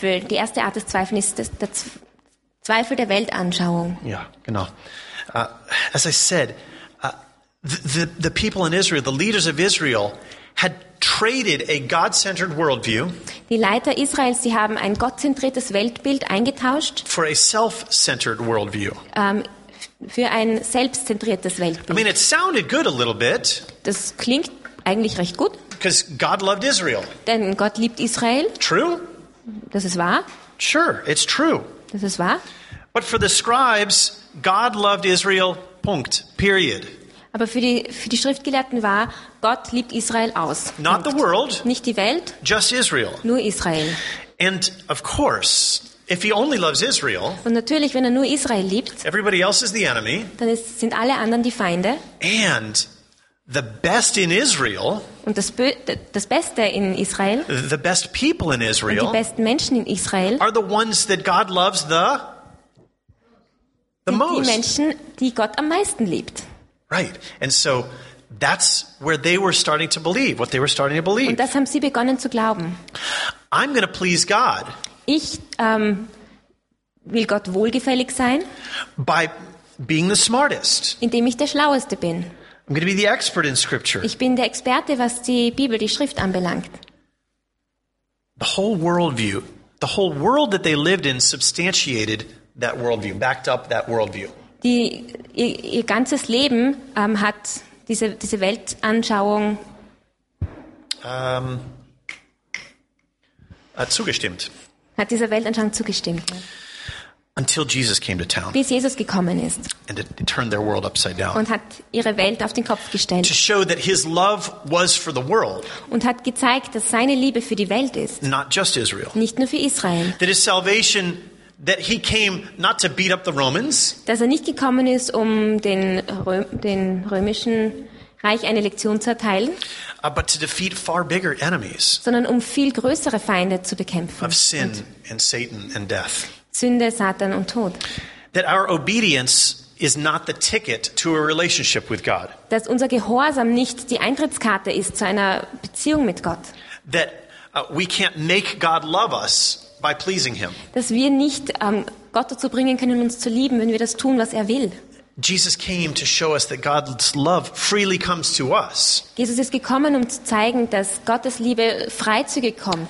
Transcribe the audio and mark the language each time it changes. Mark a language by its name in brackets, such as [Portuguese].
[German] Die erste Art des Zweifels ist der Zweifel der Weltanschauung. Ja, yeah, genau. [English] As I said, the people in Israel, the leaders of Israel, had traded a God-centered worldview. [German] Die Leiter Israels, sie haben ein gottzentriertes Weltbild eingetauscht. [English] For a self-centered worldview. [German] Für ein selbstzentriertes Weltbild. [English] I mean, it sounded good a little bit. [German] Das klingt eigentlich recht gut. [English] Because God loved Israel. [German] Denn Gott liebt Israel. [English] True. [German] Das ist wahr. [English] Sure, it's true. [German] Das ist wahr. [English] But for the scribes, God loved Israel. Punkt. Period. [German] Aber für die Schriftgelehrten war Gott liebt Israel aus. [English] Punkt. Not the world. [German] Nicht die Welt. [English] Just Israel. [German] Nur Israel. [English] And of course, if he only loves Israel. [German] Und natürlich, wenn er nur Israel liebt. [English] Everybody else is the enemy. [German] Dann sind alle anderen die Feinde. [English] And the best in Israel. [German] Und das Beste in Israel. [English] The best people in Israel. [German] Und die besten Menschen in Israel. [English] Are the ones that God loves the most. [German] Die Menschen, die Gott am meisten liebt. [English] Right. And so that's where they were starting to believe, what they were starting to believe. [German] Und das haben sie begonnen zu glauben. [English] I'm going to please God. [German] Ich will Gott wohlgefällig sein. [English] By being the smartest. [German] Indem ich der Schlaueste bin. [English] I'm going to be the expert in scripture. [German] Ich bin der Experte, was die Bibel, die Schrift anbelangt. [English] The whole worldview, the whole world that they lived in substantiated that worldview, backed up that worldview. [German] Ihr ganzes Leben hat diese Weltanschauung zugestimmt. Hat dieser Weltanschauung zugestimmt. [English] Until Jesus came to town. [German] Bis Jesus gekommen ist. [English] And it turned their world upside down. [German] Und hat ihre Welt auf den Kopf gestellt. [English] To show that his love was for the world. [German] Und hat gezeigt, dass seine Liebe für die Welt ist. [English] Not just Israel. [German] Nicht nur für Israel. [English] That his salvation, that he came not to beat up the Romans. [German] Dass er nicht gekommen ist, um den römischen Reich eine Lektion zu erteilen, [English] but to defeat far bigger enemies, [German] sondern um viel größere Feinde zu bekämpfen. [English] Of sin and Satan and death. [German] Sünde, Satan und Tod. [English] That our obedience is not the ticket to a relationship with God. [German] Dass unser Gehorsam nicht die Eintrittskarte ist zu einer Beziehung mit Gott. [English] That we can't make God love us by pleasing him. [German] Dass wir nicht Gott dazu bringen können, uns zu lieben, wenn wir das tun, was er will. [English] Jesus came to show us that God's love freely comes to us. [German] Jesus ist gekommen, um zu zeigen, dass Gottes Liebe freizügig kommt.